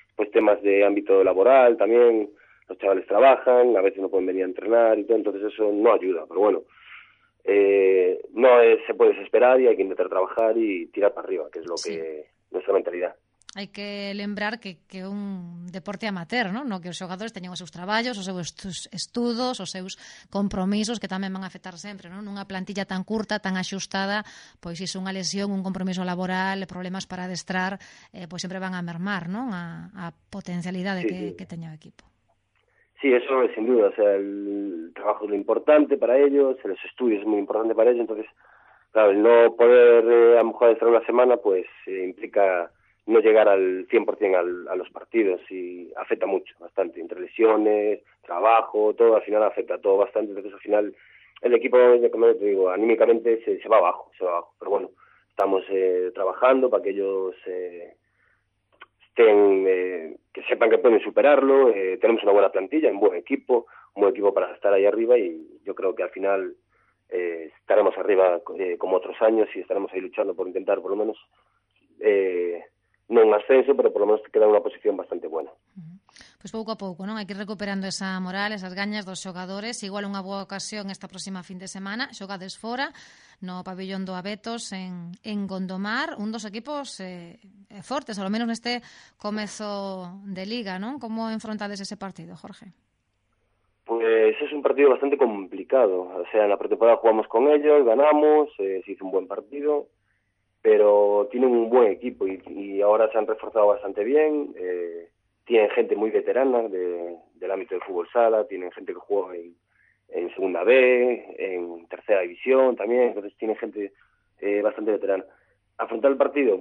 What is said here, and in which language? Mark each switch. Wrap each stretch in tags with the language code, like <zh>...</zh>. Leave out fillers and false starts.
<es>Pues temas de ámbito laboral también, los chavales trabajan, a veces no pueden venir a entrenar y todo, entonces eso no ayuda. Pero bueno, se puede desesperar y hay que intentar trabajar y tirar para arriba, que es lo que nuestra mentalidad.</es> <gl>Hai que lembrar que un deporte amateur, ¿no? No que os xogadores teñen os seus traballos, os seus estudos, os seus compromisos, que tamén van a afectar sempre, ¿no? Nunha plantilla tan curta, tan axustada, pois iso, unha lesión, un compromiso laboral, problemas para adestrar, pois sempre van a mermar, ¿no? A potencialidade que teña o equipo.</gl> <es>Sí, eso es sin duda. O sea, el trabajo es lo importante para ellos, los estudios es muy importante para ellos, entonces, claro, el no poder a lo mejor adestrar una semana, pues implica no llegar al 100% a los partidos, y afecta mucho, bastante, entre lesiones, trabajo, todo, al final afecta todo bastante. Entonces al final el equipo, como te digo, anímicamente se va abajo, pero bueno, estamos trabajando para que ellos estén, que sepan que pueden superarlo. Tenemos una buena plantilla, un buen equipo para estar ahí arriba, y yo creo que al final estaremos arriba como otros años, y estaremos ahí luchando por intentar, por lo menos, no un ascenso, pero por lo menos quedar en una posición bastante buena.</es> <gl>Pues pouco a pouco, non? Hai que ir recuperando esa moral, esas gañas dos xogadores. Igual unha boa ocasión esta próxima fin de semana, xogades fora, no pabellón do Abetos, en Gondomar, un dos equipos fortes, ao menos neste comezo de liga, non? Como enfrontades ese partido, Jorge?</gl> <es>Pues es un partido bastante complicado. O sea, en la pretemporada jugamos con ellos, ganamos, se hizo un buen partido, pero tienen un buen equipo y ahora se han reforzado bastante bien. Tienen gente muy veterana del ámbito del fútbol sala, tienen gente que juega en segunda B, en tercera división también, entonces tienen gente bastante veterana. ¿Afrontar el partido?</es>